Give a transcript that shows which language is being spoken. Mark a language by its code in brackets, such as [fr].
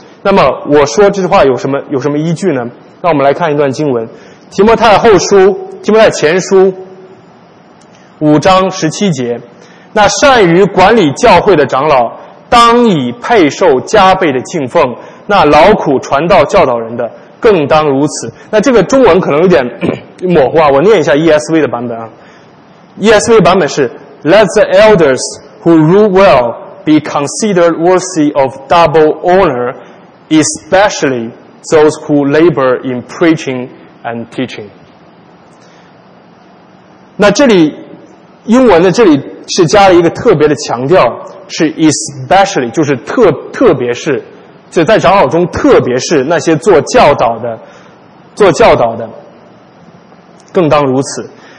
[zh] 那么我说这句话有什么依据呢？那我们来看一段经文，提摩太前书5章17节，那善于管理教会的长老当以配受加倍的敬奉，那劳苦传道教导人的更当如此。那这个中文可能有点模糊啊，我念一下 ESV 的版本啊。 [en] ESV [zh] 版本是 [en] Let the elders who rule well be considered worthy of double honor, especially those who labor in preaching and teaching. [zh] 那这里英文的这里是加了一个特别的强调，是 especially, 就是特别是，就在长老中特别是那些做教导的更当如此。